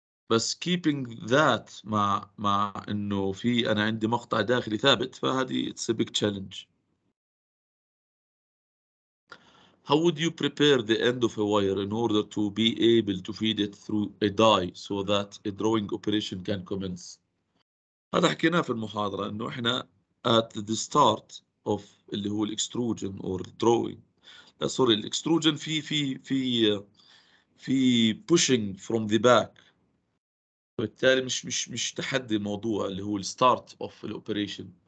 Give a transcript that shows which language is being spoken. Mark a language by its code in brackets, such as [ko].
[ar] بس [en] keeping that [ar] مع انه في انا عندي مقطع داخلي ثابت، فهذه [en] It's a big challenge. How would you prepare the end of a wire in order to be able to feed it through a die so that a drawing operation can commence? [ar] هذا حكيناه في المحاضرة، إنه إحنا [en] at the start of [ar] اللي هو الإكستروجن [en] or drawing. [ar] لا سوري، الإكستروجن في في في في [en] pushing from the back. [ar] بالتالي مش تحدي موضوع اللي هو [en] start of the operation.